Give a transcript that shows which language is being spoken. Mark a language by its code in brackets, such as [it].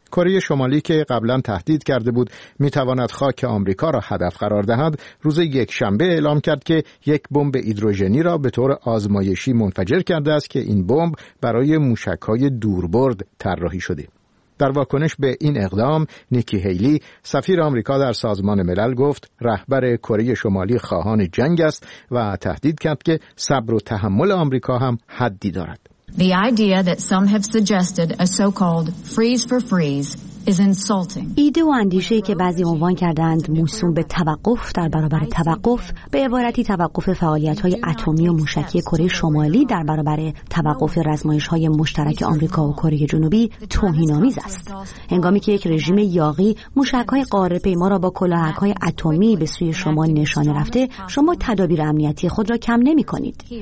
[fa] کره شمالی که قبلا تهدید کرده بود میتواند خاک آمریکا را هدف قرار دهد، روز یک شنبه اعلام کرد که یک بمب هیدروژنی را به طور آزمایشی منفجر کرده است که این بمب برای موشک‌های دوربرد طراحی شده. در واکنش به این اقدام، نیکی هیلی، سفیر آمریکا در سازمان ملل گفت رهبر کره شمالی خواهان جنگ است و تهدید کرد که صبر و تحمل آمریکا هم حدی دارد. [en] The idea that some have suggested a so-called freeze for freeze is insulting. [fa] ایده و اندیشه که بعضی عنوان کردند موسوم به توقف در برابر توقف، به عبارتی توقف فعالیت‌های اتمی و موشکی کره شمالی در برابر توقف رزمایش‌های مشترک آمریکا و کره جنوبی، توهین‌آمیز است. هنگامی که یک رژیم یاغی موشک‌های قاره‌پیما را با کلاهک‌های اتمی به سوی شما نشانه رفته، شما تدابیر امنیتی خود را کم نمی‌کنید.